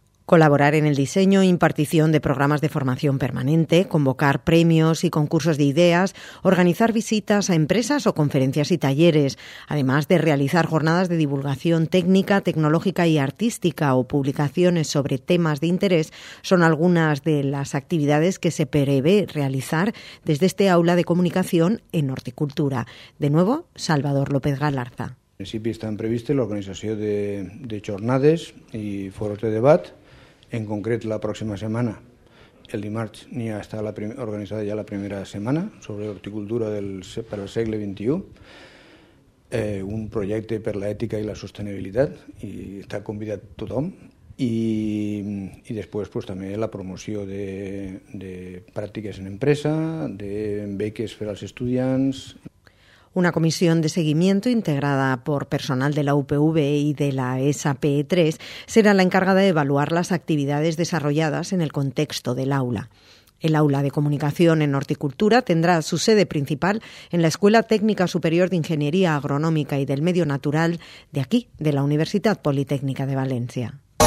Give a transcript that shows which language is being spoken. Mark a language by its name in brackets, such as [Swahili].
[Spanish] Colaborar en el diseño e impartición de programas de formación permanente, convocar premios y concursos de ideas, organizar visitas a empresas o conferencias y talleres, además de realizar jornadas de divulgación técnica, tecnológica y artística o publicaciones sobre temas de interés, son algunas de las actividades que se prevé realizar desde este aula de comunicación en Horticultura. De nuevo, Salvador López Galarza. En principio están previstas la organización de jornadas y foros de debate. [Catalan] En concret, la pròxima setmana, el dimarts, n'hi ha estat organitzada ja la primera setmana sobre horticultura per al segle XXI, un projecte per l'ètica i la sostenibilitat, i està convidat tothom, i després pues, també la promoció de pràctiques en empresa, de beques per als estudiants. [Spanish] Una comisión de seguimiento integrada por personal de la UPV y de la ESAPE3 será la encargada de evaluar las actividades desarrolladas en el contexto del aula. El aula de comunicación en horticultura tendrá su sede principal en la Escuela Técnica Superior de Ingeniería Agronómica y del Medio Natural de aquí, de la Universidad Politécnica de Valencia.